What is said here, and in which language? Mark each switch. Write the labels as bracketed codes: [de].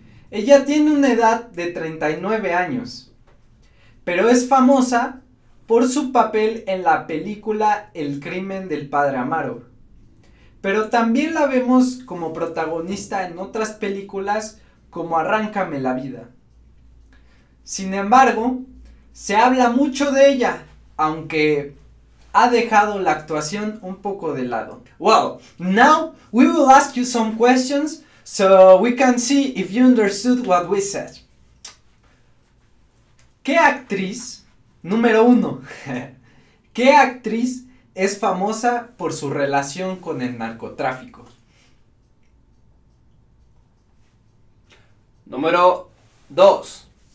[es] Ella tiene una edad de 39 años, pero es famosa por su papel en la película El crimen del padre Amaro. Pero también la vemos como protagonista en otras películas como Arráncame la vida. Sin embargo, se habla mucho de ella, aunque ha dejado la actuación un poco de lado. [en] Well, now we will ask you some questions so we can see if you understood what we said. [es] ¿Qué actriz, número uno, qué actriz es famosa por su relación con el narcotráfico? Número 2.